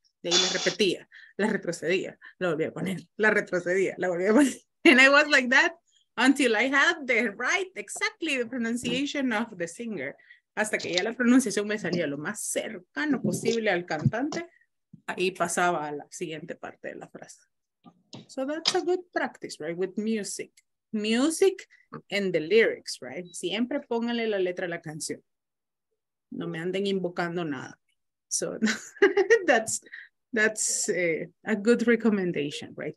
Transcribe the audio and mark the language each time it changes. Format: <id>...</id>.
<es>De ahí la repetía, la retrocedía, la volvía a poner, la retrocedía, la volvía a poner.</es> <en>And I was like that until I had the right, exactly the pronunciation of the singer.</en> <es>hasta que ya la pronunciación me salía lo más cercano posible al cantante, ahí pasaba a la siguiente parte de la frase.</es> <en>So that's a good practice, right, with music. Music and the lyrics, right?</en> <es>Siempre pónganle la letra a la canción. No me anden invocando nada.</es> <en>So that's a good recommendation, right?</en>